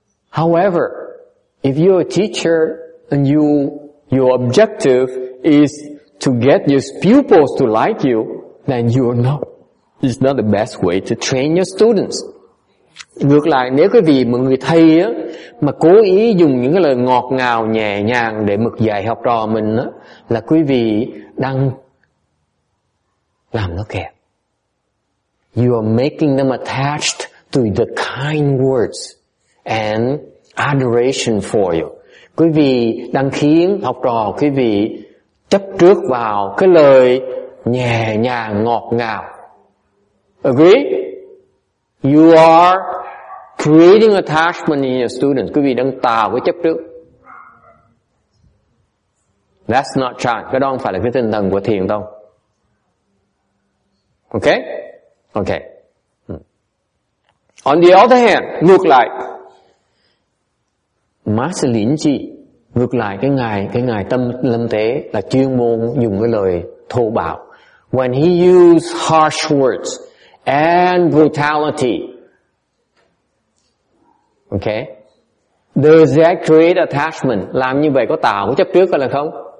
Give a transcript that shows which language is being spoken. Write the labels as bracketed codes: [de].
[en] However, if you're a teacher and your objective is to get your pupils to like you, then you're not, it's not the best way to train your students. [vi] Ngược lại, nếu quý vị một người thầy á, mà cố ý dùng những cái lời ngọt ngào nhẹ nhàng để mực dạy học trò mình á, là quý vị đang làm nó kẹt. [en] You are making them attached to the kind words and adoration for you. [vi] Quý vị đang khiến học trò quý vị chấp trước vào cái lời nhẹ nhàng ngọt ngào. [en] Agree? You are creating attachment in your students. [vi] Quý vị đang tạo cái chấp trước. [en] That's not chan. [vi] Cái đó không phải là cái tinh thần của thiền tông. [en] Okay? Okay. On the other hand, [vi] ngược lại, Master Linji, ngược lại cái ngài tâm lâm tế là chuyên môn dùng cái lời thô bạo. [en] When he used harsh words and brutality, okay, does that create attachment? [vi] Làm như vậy có tạo cái chấp trước hay là không?